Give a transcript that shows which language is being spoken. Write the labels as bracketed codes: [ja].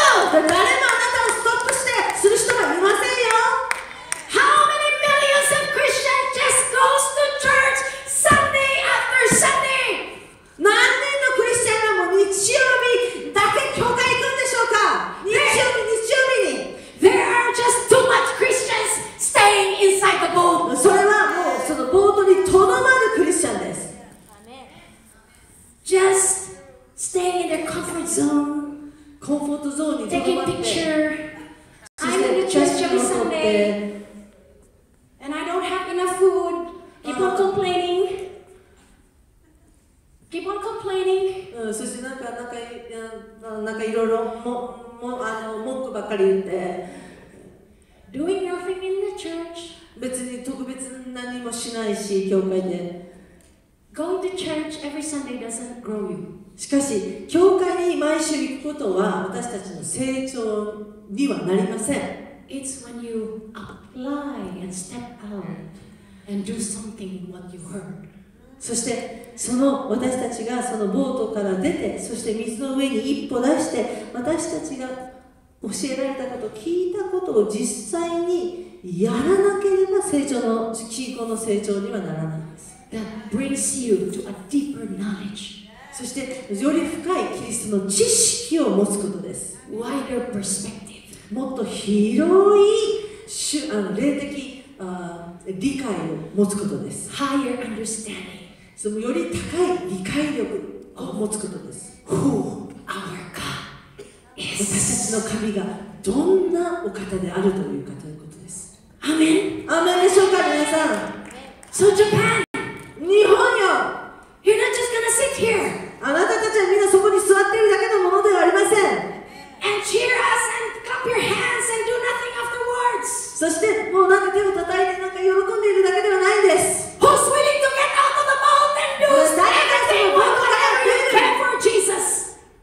[ja] 誰もあなたをストップしてする人はいませんよ。 [en] How many millions of Christians just goes to church Sunday after Sunday? [ja] 何人のクリスチャンがもう日曜日だけ教会行くんでしょうか。日曜日に。 [en] There are just too much Christians staying inside the boat. [ja] それはもうそのボートに留まるクリスチャンです。 [en] Just stay in the comfort zone. [ja] コンフォートゾーンに留まって [en] I'm in the church every Sunday and I don't have enough food. Keep on complaining. Keep on complaining. [ja] そしてなんかいろいろ文句ばっかり言って [en] Doing nothing in the church. [ja] 別に特別何もしないし教会で [en] Going to church every Sunday doesn't grow you. [ja] しかし教会に毎週行くことは私たちの成長にはなりません。 [en] It's when you apply and step out and do something what you heard。 [ja] そしてその私たちがそのボートから出て、そして水の上に一歩出して、私たちが教えられたこと、聞いたことを実際にやらなければ成長の信仰の成長にはならないんです。 [en] That brings you to a deeper knowledge. [ja] そしてより深いキリストの知識を持つことです。 [en] Wider perspective. [ja] もっと広い霊的理解を持つことです。 [en] Higher understanding. [ja] そのより高い理解力を持つことです。 [en] Who our God is. [ja] 私たちの神がどんなお方であるというかということです。アメン。アメンでしょうか皆さん。 [en] So Japan. [ja] 日本よ。 [en] You're not just gonna sit here. [ja] あなたたちはみんなそこに座っているだけのものではありません。 [en] And cheer us and clap your hands and do nothing afterwards. [ja] そしてもうなんか手を叩いてなんか喜んでいるだけではないんです。 [en] Who's willing to get out of the boat and do everything? Whatever you pray for, Jesus.